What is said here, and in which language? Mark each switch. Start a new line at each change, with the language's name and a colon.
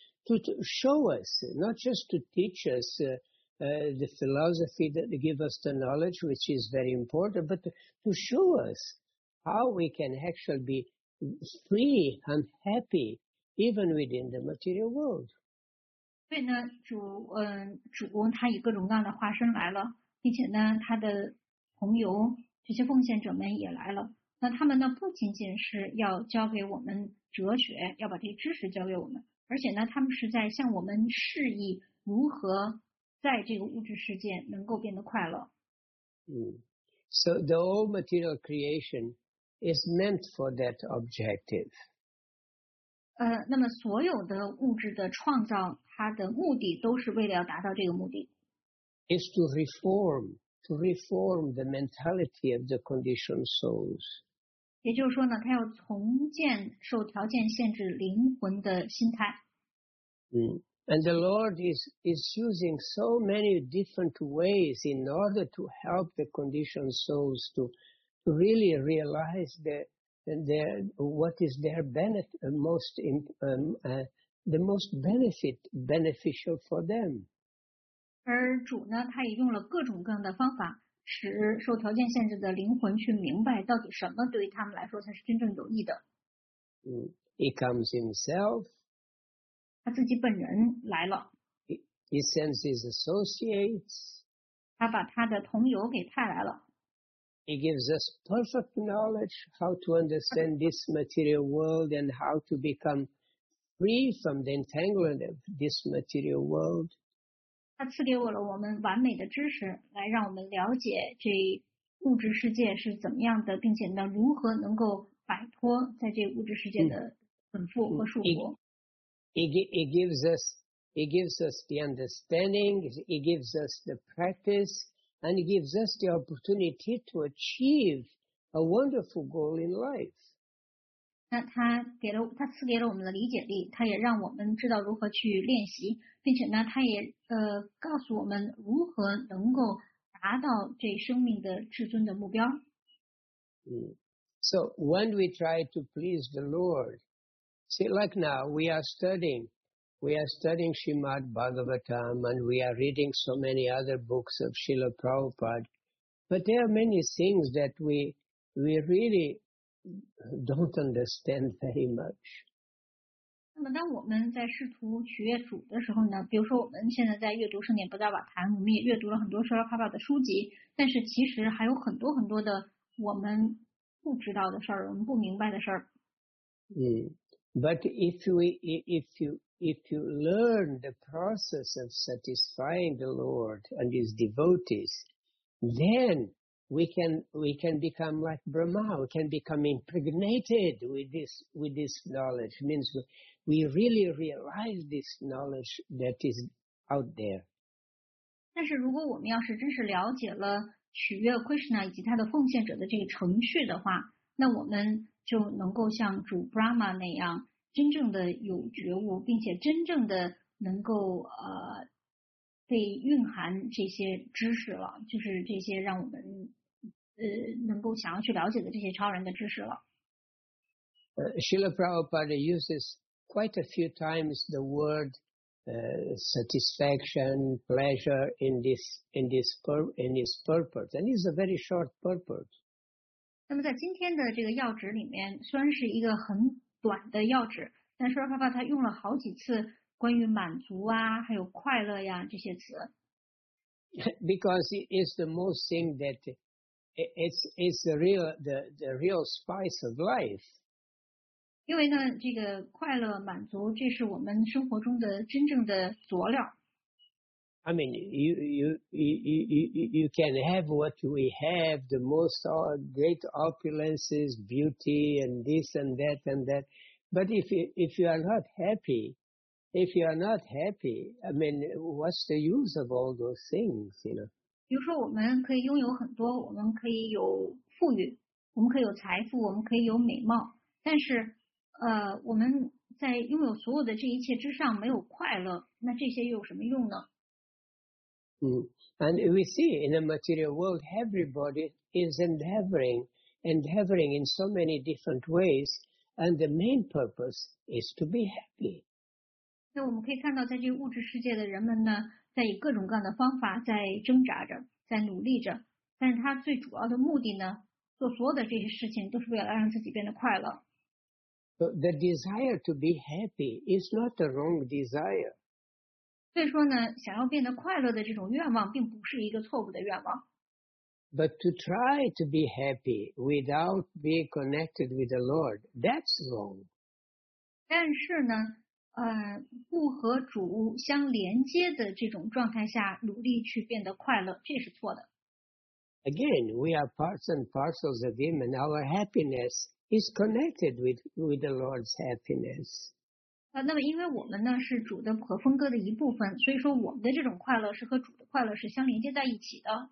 English: To show us, not just to teach us the philosophy that give us the knowledge, which is very important, but to show us how we can actually be free and happy even within the material world.
Chinese: 所以呢，主公他以各种各样的化身来了，并且呢，他的朋友这些奉献者们也来了。那他们呢，不仅仅是要教给我们哲学，要把这些知识教给我们。而且呢，他们是在向我们示意如何在这个物质世界能够变得快乐。
English: So the whole material creation is meant for that objective.
Chinese: 那么所有的物质的创造，它的目的都是为了要达到这个目的。
English: Is to reform the mentality of the conditioned souls.
Chinese: 也就是说呢，他要重建受条件限制灵魂的心态。
English: And the Lord is using so many different ways in order to help the conditioned souls to really realize what is their benefit for them.
Chinese: 而主呢，他也用了各种各样的方法。使受条件限制的灵魂去明白到底什么对他们来说才是真正有益的。
English: He comes himself.
Chinese: 他自己本人来了。
English: He sends his associates.
Chinese: 他把他的同友给派来了。
English: He gives us perfect knowledge how to understand this material world and how to become free from the entanglement of this material world.
Chinese: 他赐给我了我们完美的知识，来让我们了解这物质世界是怎么样的，并且呢，如何能够摆脱在这物质世界的捆缚和束缚。
English: He gives us, He gives us the understanding, He gives us the practice, and He gives us the opportunity to achieve a wonderful goal in life.
Chinese: 他赐给了我们的理解力，他也让我们知道如何去练习，并且呢，他也告诉我们如何能够达到这生命的至尊的目标。
English: So when we try to please the Lord, see, like now we are studying Srimad Bhagavatam and we are reading so many other books of Srila Prabhupada, but there are many things that we really don't understand very much.
Chinese: 那么当我们在试图取悦主的时候呢，比如说我们现在在阅读圣典布达瓦坛，我们也阅读了很多舍尔帕巴的书籍，但是其实还有很多很多的我们不知道的事儿，我们不明白的事儿。
English: But if you learn the process of satisfying the Lord and His devotees, then we can become like Brahma. We can become impregnated with this knowledge. It means we really realize this knowledge that is out there.
Chinese: 但是如果我们要是真是了解了取悦 Krishna 以及他的奉献者的这个程序的话，那我们就能够像主 Brahma 那样真正的有觉悟，并且真正的能够被蕴含这些知识了，就是这些让我们能够想要去了解的这些超人的知识了。
English: Srila Prabhupada uses quite a few times the word satisfaction, pleasure in this purport, and it's a very short purport.
Chinese: 那么在今天的这个要旨里面，虽然是一个很短的要旨，但是爸爸他用了好几次关于满足啊，还有快乐呀这些词。
English: Because it is the most thing that it's the real spice of life.
Chinese: 因为呢，这个快乐满足，这是我们生活中的真正的佐料。
English: I mean, you can have what we have, the most great opulences, beauty, and this and that and that. But if you are not happy, I mean, what's the use of all those things, you know?
Chinese: 比如说我们可以拥有很多，我们可以有富裕，我们可以有财富，我们可以有美貌，但是我们在拥有所有的这一切之上没有快乐，那这些又有什么用呢？
English: And we see in the material world, everybody is endeavoring in so many different ways, and the main purpose is to be happy.
Chinese: 那我们可以看到，在这个物质世界的人们呢，在以各种各样的方法在挣扎着，在努力着，但是他最主要的目的呢，做所有的这些事情都是为了让自己变得快乐。
English: So the desire to be happy is not the wrong desire.
Chinese: 所以说呢，想要变得快乐的这种愿望并不是一个错误的愿望。
English: But to try to be happy without being connected with the Lord, that's wrong.
Chinese: 但是呢，不和主相连接的这种状态下努力去变得快乐，这是错的。
English: Again, we are parts and parcels of Him, and our happiness is connected with the Lord's happiness.
Chinese: 那么因为我们呢是主的和风格的一部分，所以说我们的这种快乐是和主的快乐是相连接在一起的。